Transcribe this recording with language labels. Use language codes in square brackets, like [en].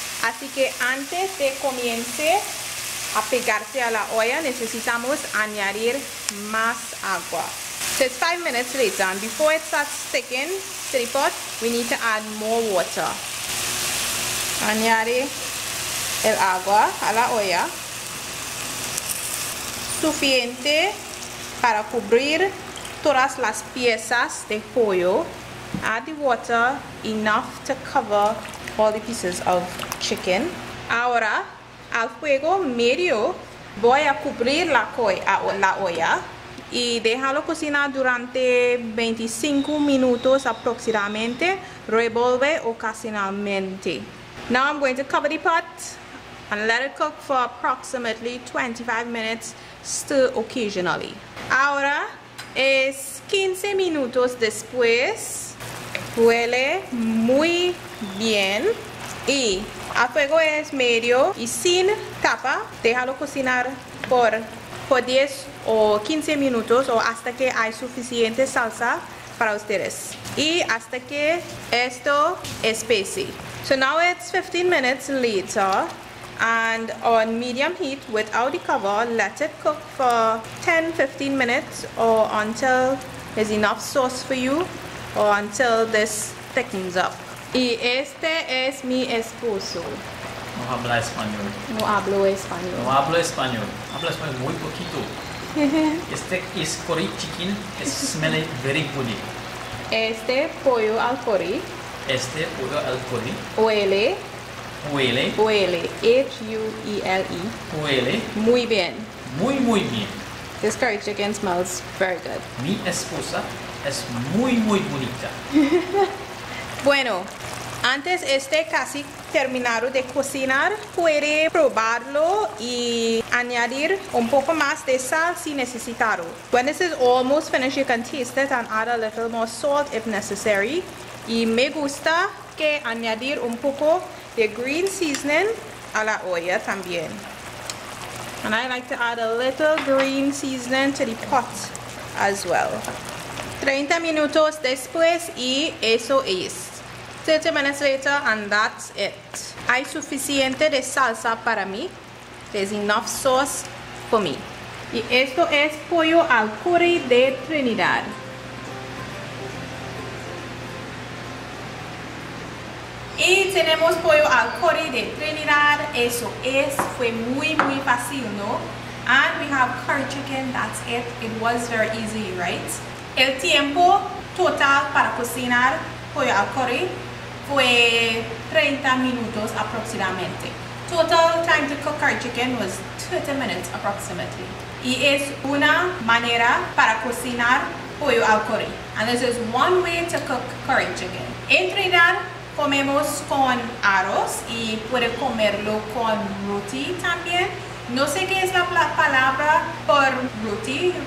[es] Así que antes de comience a pegarse a la olla, necesitamos añadir más agua. [en] So it's 5 minutes later and before it starts sticking to the pot, we need to add more water. [es] Añade el agua a la olla. Suficiente para cubrir todas las piezas de pollo. [en] Add the water, enough to cover all the pieces of chicken. [es] Ahora, al fuego medio, voy a cubrir la olla y déjalo cocinar durante 25 minutos aproximadamente. Revolve ocasionalmente. [en] Now I'm going to cover the pot and let it cook for approximately 25 minutes, stir occasionally. [es] Ahora es 15 minutos después. Huele muy bien y a fuego es medio y sin tapa. Déjalo cocinar por 10 o 15 minutos o hasta que hay suficiente salsa para ustedes y hasta que esto espese. [en] So now it's 15 minutes later and on medium heat without the cover, let it cook for 10-15 minutes or until there's enough sauce for you o until this thickens up. [es] Y este es mi esposo. No habla español. No hablo español. No hablo español. Habla español muy poquito. Este es curry chicken. Es [en] smelly very good. [es] Este pollo al curry. Este pollo al curry. Huele. Huele. Huele. H-U-E-L-E. Huele. Muy bien. Muy, muy bien. [en] This curry chicken smells very good. [es] Mi esposa es muy, muy bonita. Bueno, antes este casi terminado de cocinar, puede probarlo y añadir un poco más de sal si necesitado. [en] When this is almost finished, you can taste it and add a little more salt if necessary. [es] Y me gusta que añadir un poco de green seasoning a la olla también. [en] And I like to add a little green seasoning to the pot as well. [es] 30 minutos después y eso es. [en] 7 minutes later and that's it. [es] Hay suficiente de salsa para mí. [en] There's enough sauce for me. [es] Y esto es pollo al curry de Trinidad. Y tenemos pollo al curry de Trinidad. Eso es. Fue muy, muy fácil, ¿no? [en] And we have curry chicken. That's it. It was very easy, right? [es] El tiempo total para cocinar pollo al curry fue 30 minutos aproximadamente. [en] Total time to cook curry chicken was 30 minutes approximately. [es] Y es una manera para cocinar pollo al curry. [en] And this is one way to cook curry chicken. [es] En Trinidad comemos con arroz y puede comerlo con roti también. No sé qué es la palabra por roti.